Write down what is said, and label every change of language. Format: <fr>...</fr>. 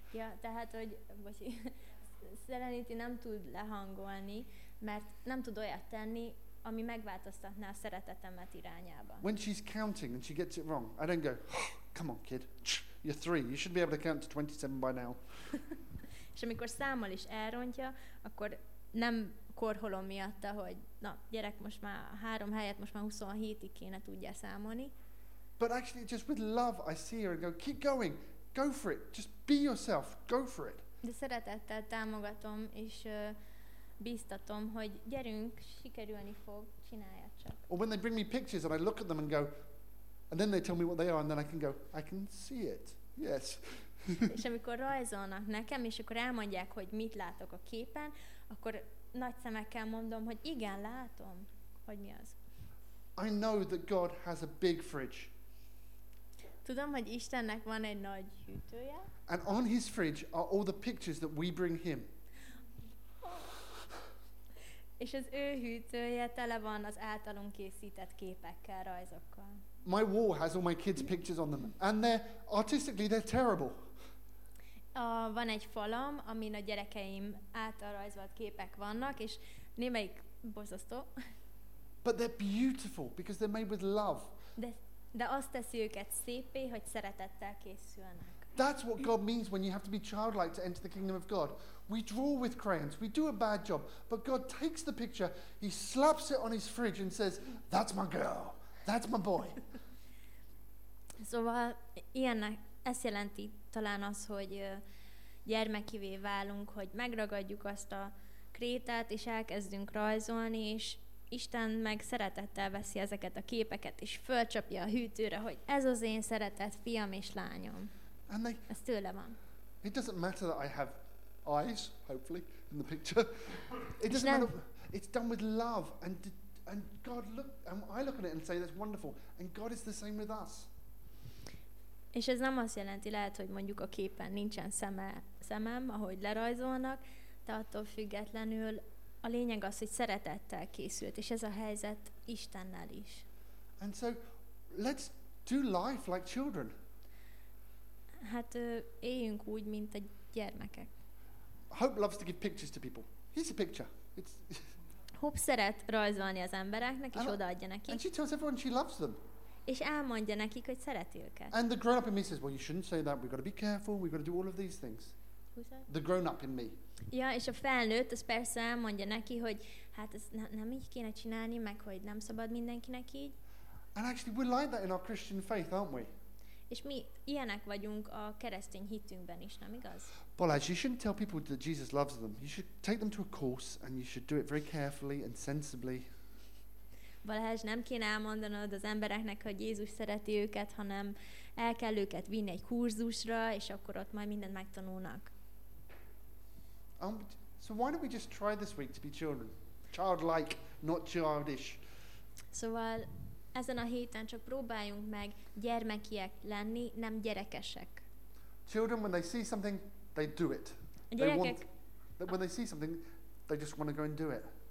<hu>Ja, tehát, hogy Serenity nem tud lehangolni, mert nem tud olyat tenni, ami megváltoztatná a szeretetemet irányába.</hu> <en>When she's counting and she gets it wrong, I don't go, come on, kid, you're 3. You should be able to count to 27 by now.</en> <hu>És amikor számmal is elrontja, akkor nem korholom miatta, hogy na, gyerek, most már 3 helyet, most már 27-ig kéne tudja számolni.</hu> <en>But actually, just with love, I see her and go, keep going, go for it, just be yourself, go for it.</en> <hu>De szeretettel támogatom és bíztatom, hogy gyerünk, sikerülni fog, csináljad csak.</hu> <en>Or when they bring me pictures and I look at them and go, and then they tell me what they are and then I can go, I can see it, yes.</en> <hu>És amikor rajzolnak nekem, és akkor elmondják, hogy mit látok a képen, akkor nagy szemekkel mondom, hogy igen, látom, hogy mi az.</hu> <en>I know that God has a big fridge.</en> <hu>Tudom, hogy Istennek van egy nagy hűtője.</hu> <en>And on his fridge are all the pictures that we bring him.</en> <hu>És az ő hűtője tele van az általunk készített képekkel, rajzokkal.</hu> <en>My wall has all my kids' pictures on them, and they're artistically they're terrible.</en> <hu>Van egy falam, amin a gyerekeim által rajzolt képek vannak, és némelyik borzasztó.</hu> <en>But they're beautiful because they're made with love.</en> <hu>De azt teszi őket szépé, hogy szeretettel készülnek.</hu> <en>That's what God means when you have to be childlike to enter the kingdom of God. We draw with crayons, we do a bad job, but God takes the picture, he slaps it on his fridge and says, that's my girl, that's my boy.</en> <hu>Szóval ilyennek, ez jelenti talán az, hogy gyermekivé válunk, hogy megragadjuk azt a krétát, és elkezdünk rajzolni, és Isten meg szeretettel veszi ezeket a képeket, és fölcsapja a hűtőre, hogy ez az én szeretett fiam és lányom.</hu> <en>And they,</en> <hu>ez tőle van.</hu> <en>It doesn't matter that I have eyes, hopefully, in the picture. It doesn't matter. It's done with love, and God look, and I look at it and say that's wonderful. And God is the same with us.</en> <hu>És ez nem azt jelenti, lehet, hogy mondjuk a képen nincsen szemem, ahogy lerajzolnak, de attól függetlenül a lényeg az, hogy szeretettel készült, és ez a helyzet Istennel is.</hu> <en>And so, let's do life like children.</en> <hu>Hát éljünk úgy, mint a gyermekek.</hu> <en>Hope loves to give pictures to people. Here's a picture. It's</en> <hu>Hope szeret rajzolni az embereknek, és odaadja neki.</hu> <en>And she tells everyone she loves them.</en> <hu>És elmondja nekik, hogy szereti őket.</hu> <en>And the grown-up in me says, well, you shouldn't say that. We've got to be careful. We've got to do all of these things. The grown-up in me.</en> <hu>Ja, és a felnőtt, az persze elmondja neki, hogy hát ez nem így kéne csinálni, meg hogy nem szabad mindenkinek így.</hu> <en>And actually, we're like that in our Christian faith, aren't we?</en> <hu>És mi ilyenek vagyunk a keresztény hitünkben is, nem igaz?</hu> <en>Balázs, you shouldn't tell people that Jesus loves them. You should take them to a course, and you should do it very carefully and sensibly.</en> <hu>Balázs, nem kéne elmondanod az embereknek, hogy Jézus szereti őket, hanem el kell őket vinni egy kurzusra, és akkor ott majd mindent megtanulnak.</hu> <en>So why don't we just try this week to be children? Childlike, not childish.</en> <hu>Szóval ezen a héten csak próbáljunk meg gyermekiek lenni, nem gyerekesek.</hu> <en>Children, when they see something, they do it.</en> <hu>A gyerekek,</hu> <en>when they see something, they just want to go and do it.</en>